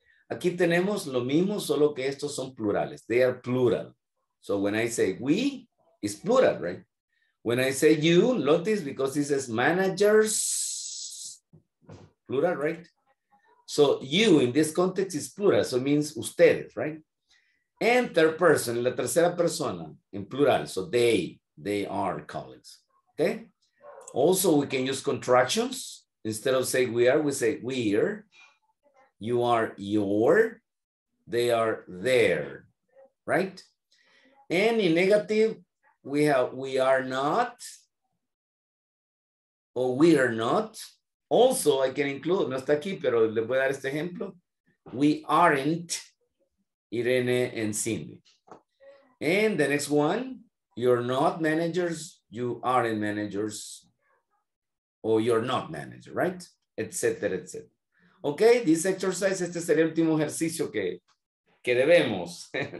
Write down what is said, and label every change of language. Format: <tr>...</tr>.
<es>Aquí tenemos lo mismo, solo que estos son plurales.</es> <en>They are plural. So when I say we, it's plural, right? When I say you, notice because this is managers, plural, right? So you in this context is plural, so it means ustedes, right? And third person,</en> <es>la tercera persona,</es> <en>in plural, so they are colleagues, okay? Also, we can use contractions. Instead of say we say we're, you are your, they are their, right? And in negative, we have we are not, or we are not.</en> <es>Also, I can include, no está aquí, pero le voy a dar este ejemplo.</es> <en>We aren't Irene and Cindy. And the next one, you're not managers, you aren't managers, or you're not manager, right?</en> <es>Etc., etc.</es> <en>Ok, this exercise,</en> <es>este sería el último ejercicio que debemos.</es>